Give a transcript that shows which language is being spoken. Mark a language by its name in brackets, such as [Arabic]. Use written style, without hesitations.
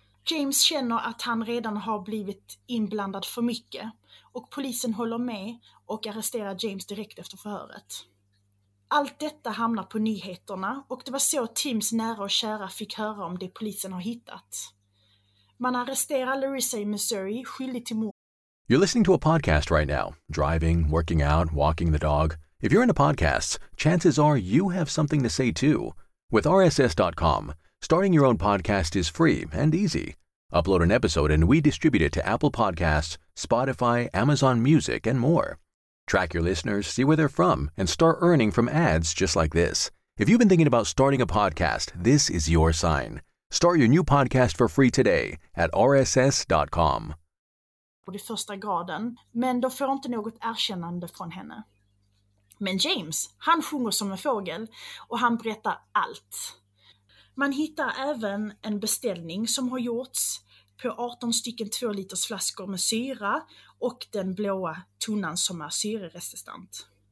[Swedish] James känner att han redan har blivit inblandad för mycket. Och polisen håller med och arresterar James direkt efter förhöret. Allt detta hamnar på nyheterna och det var så Tims nära och kära fick höra om det polisen har hittat. Man arresterar Larissa i Missouri skyldig till mord. [English] You're listening to a podcast right now. Driving, working out, walking the dog. If you're into podcasts, chances are you have something to say too. With RSS.com, starting your own podcast is free and easy. Upload an episode and we distribute it to Apple Podcasts, Spotify, Amazon Music, and more. Track your listeners, see where they're from, and start earning from ads just like this. If you've been thinking about starting a podcast, this is your sign. Start your new podcast for free today at RSS.com. [Swedish] På det första graden, men då får inte något erkännande från henne. Men James, han sjunger som en fågel och han berättar allt. Man hittar även en beställning som har gjorts på 18 stycken 2 liters flaskor med syra och den blåa tunnan som är syreresistent.